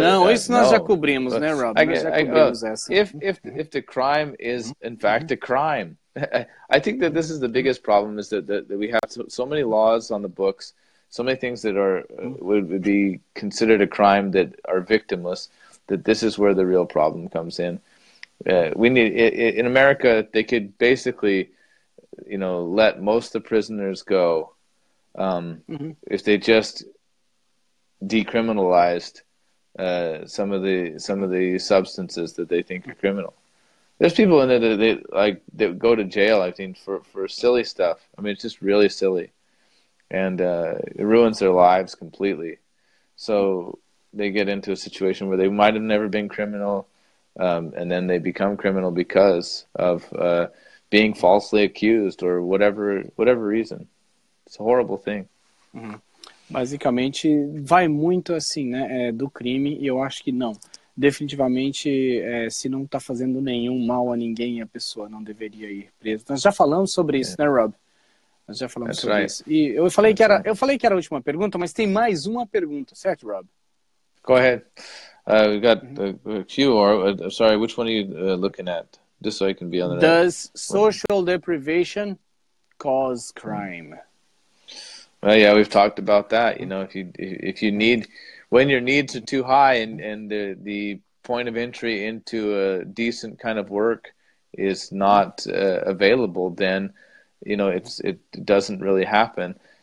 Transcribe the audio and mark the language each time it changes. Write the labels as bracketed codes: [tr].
[pt] Não, isso nós já cobrimos, né, Rob? [en] If the crime is, in fact, a crime, I think that this is the biggest problem, is that we have so many laws on the books, so many things that are would be considered a crime that are victimless, that this is where the real problem comes in. We need in America, they could basically, you know, let most of the prisoners go if they just decriminalized some of the substances that they think are criminal. There's people in there that they go to jail, I think, for silly stuff. I mean, it's just really silly. And it ruins their lives completely. So they get into a situation where they might have never been criminal, and then they become criminal because of being falsely accused or whatever reason. It's a horrible thing. Mm-hmm. [pt] Basicamente, vai muito assim, né, do crime, e eu acho que não. Definitivamente, se não está fazendo nenhum mal a ninguém, a pessoa não deveria ir presa. Nós já falamos sobre isso, né, Rob? Nós já falamos [en] That's [pt] sobre [en] right. [pt] isso. E eu falei, que era, right. eu falei que era a última pergunta, mas tem mais uma pergunta, certo, Rob? [en] Go ahead. We've got a few more. Sorry, which one are you looking at? Just so I can be on the Does net. Social deprivation cause crime? Well, yeah, we've talked about that. You know, if you need, when your needs are too high and the point of entry into a decent kind of work is not available, then, you know, it doesn't really happen.